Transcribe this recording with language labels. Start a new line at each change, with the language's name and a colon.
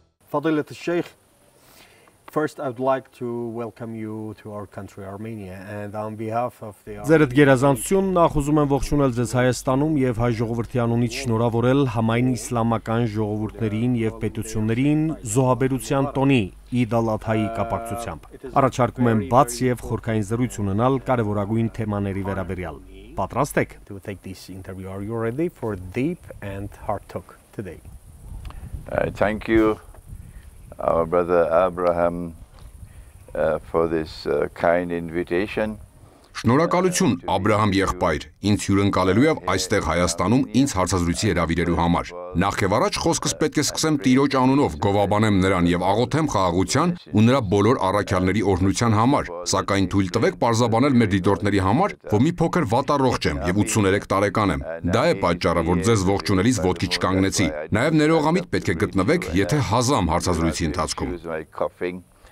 English: Fadilat Sheikh, first I'd like to welcome you to our country Armenia and on behalf of the
Armenian: Զերդ գերազանցություն նախ ուզում եմ ողջունել ձեզ Հայաստանում եւ հայ ժողովրդի անունից շնորհավորել համայն իսլամական ժողովուրդներին եւ պետություններին զոհաբերության տոնի Իդ ալ-Ադհայի կապակցությամբ։ Առաջարկում եմ բաց եւ խորքային զրույց ունենալ կարեւորագույն թեմաների վերաբերյալ։ Պատրաստ եք
English: to take this interview. Are you ready for a deep and hard talk today? Thank you, our brother Abraham, for this kind invitation.
Armenian: Շնորհակալություն, Աբրահամ եղբայր, ինձ հյուրընկալելու եւ այստեղ Հայաստանում ինձ հարցազրույցի հրավիրելու համար։ Նախև առաջ խոսքս պետք է սկսեմ տիրոջ անունով, գովաբանեմ նրան եւ աղոթեմ խաղաղության ու նրա բոլոր առաքյալների օրհնության համար, սակայն թույլ տվեք պարզաբանել մեր դիտորդների համար, որ մի փոքր վատ առողջ եմ եւ 83 տարեկան եմ։ Դա է պատճառը, որ ձեզ ողջունելիս ոտքի չկանգնեցի։ Նաեւ ներողամիտ պետք է գտնվեք, եթե հազամ հարցազրույցի ընթացքում։